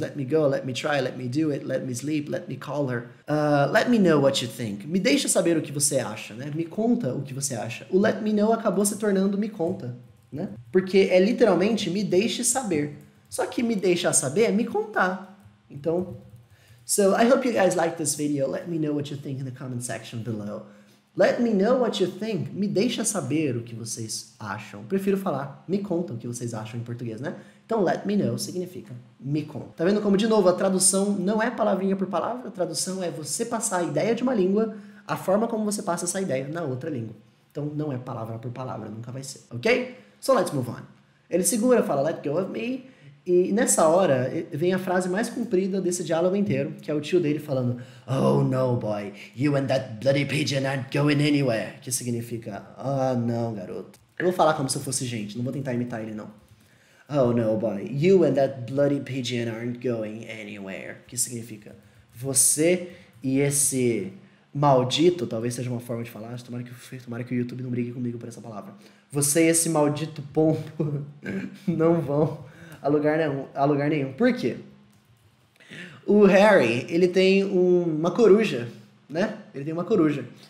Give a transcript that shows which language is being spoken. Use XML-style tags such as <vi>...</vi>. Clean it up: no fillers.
<en>Let me go, let me try, let me do it, let me sleep, let me call her. Let me know what you think.</en> <pt>Me deixa saber o que você acha, né? Me conta o que você acha. O let me know acabou se tornando me conta, né? Porque é literalmente me deixe saber. Só que me deixar saber é me contar.</pt> <en>Então, so I hope you guys like this video. Let me know what you think in the comment section below. Let me know what you think.</en> <pt>Me deixa saber o que vocês acham. Prefiro falar, me conta o que vocês acham em português, né? Então, let me know significa me conta. Tá vendo como, de novo, a tradução não é palavrinha por palavra, a tradução é você passar a ideia de uma língua, a forma como você passa essa ideia na outra língua. Então, não é palavra por palavra, nunca vai ser, ok?</pt> <en>So let's move on.</en> <pt>Ele segura, fala,</pt> <en>let go of me.</en> <pt>E nessa hora vem a frase mais comprida desse diálogo inteiro, que é o tio dele falando:</pt> <en>Oh no, boy, you and that bloody pigeon aren't going anywhere.</en> <pt>Que significa: Ah, oh, não, garoto. Eu vou falar como se eu fosse gente, não vou tentar imitar ele, não.</pt> <en>Oh no, boy, you and that bloody pigeon aren't going anywhere.</en> <pt>Que significa: Você e esse maldito, talvez seja uma forma de falar, tomara que o YouTube não brigue comigo por essa palavra. Você e esse maldito pombo não vão. A lugar nenhum. Por quê? O Harry, ele tem uma coruja, né? Ele tem uma coruja.</pt>